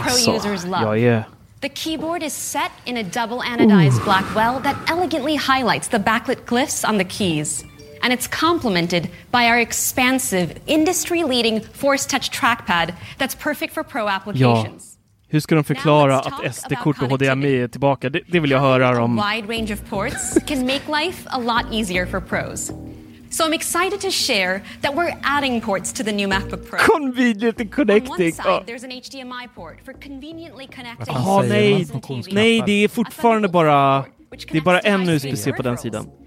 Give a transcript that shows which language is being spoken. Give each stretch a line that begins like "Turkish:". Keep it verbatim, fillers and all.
Swedish: alltså,
English: users love. Ja, yeah. The keyboard is set in a double anodized Ooh. black well that elegantly highlights the backlit glyphs on the keys. And it's complemented by our expansive, industry-leading Force Touch trackpad that's perfect for pro applications.
Swedish: Ja. Hur ska de förklara att S D-kort och H D M I är tillbaka? Det, det vill jag höra om.
English: A wide range of ports can make life a lot easier for pros. So I'm excited to share that we're adding ports to the new MacBook Pro. Convenient and connecting. On one side, there's an H D M I port for conveniently connecting.
Swedish: Jaha, oh, nej. Nej, det är fortfarande bara... Det är bara en U S B C på den sidan.